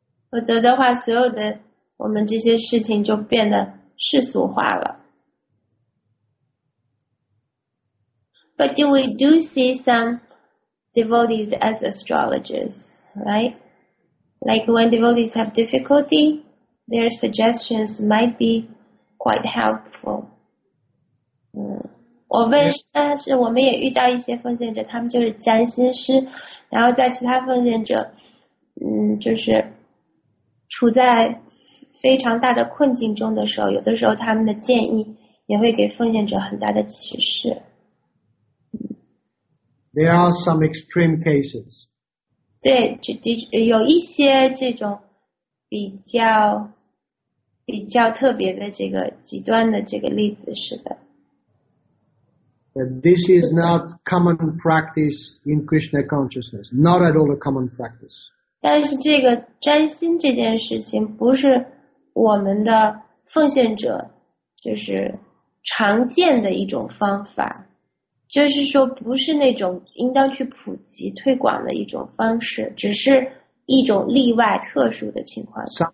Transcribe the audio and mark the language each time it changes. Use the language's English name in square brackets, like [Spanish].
[Chinese] 否则的话，所有的我们这些事情就变得世俗化了。 [English] But do we do see some devotees as astrologers, right? Like when devotees have difficulty, their suggestions might be quite helpful. [Chinese] 我问，但是我们也遇到一些奉献者，他们就是占星师，然后在其他奉献者，就是处在非常大的困境中的时候，有的时候他们的建议也会给奉献者很大的启示。 [English] There are some extreme cases. [Chinese] 对，有一些这种比较特别的这个极端的这个例子，是的。 [English] But this is not common practice in Krishna consciousness. Not at all a common practice. [Chinese] 但是这个占星这件事情不是我们的奉献者就是常见的一种方法，就是说不是那种应当去普及推广的一种方式，只是一种例外特殊的情况。